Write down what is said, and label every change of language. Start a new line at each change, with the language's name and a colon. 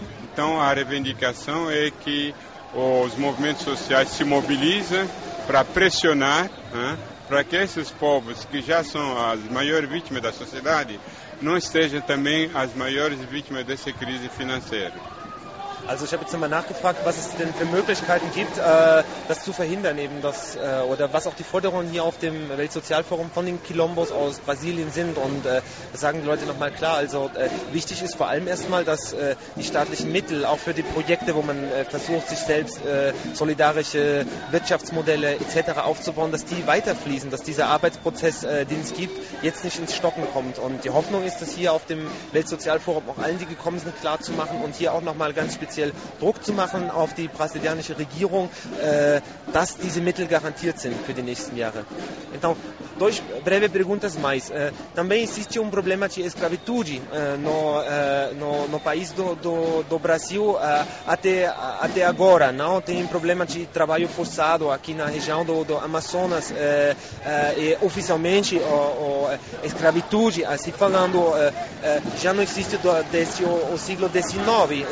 Portuguese: Então, a reivindicação é que os movimentos sociais se mobilizem para pressionar, para que esses povos, que já são as maiores vítimas da sociedade, não estejam também as maiores vítimas dessa crise financeira.
German: Also ich habe jetzt nochmal nachgefragt, was es denn für Möglichkeiten gibt, das zu verhindern, eben das, oder was auch die Forderungen hier auf dem Weltsozialforum von den Quilombos aus Brasilien sind. Und das sagen die Leute nochmal klar. Also wichtig ist vor allem erstmal, dass die staatlichen Mittel auch für die Projekte, wo man versucht, sich selbst solidarische Wirtschaftsmodelle etc. aufzubauen, dass die weiterfließen, dass dieser Arbeitsprozess, den es gibt, jetzt nicht ins Stocken kommt. Und die Hoffnung ist, dass hier auf dem Weltsozialforum auch allen, die gekommen sind, klar zu machen und hier auch nochmal ganz speziell Druck zu machen auf die brasilianische Regierung, dass diese Mittel garantiert sind für die nächsten Jahre.
Portuguese: Então, duas breves perguntas mais. Também existe problema de escravidão no país do Brasil até agora, não? Tem problema de trabalho forçado aqui na região do Amazonas, e oficialmente o escravidão, assim falando, já não existe desde o século XIX.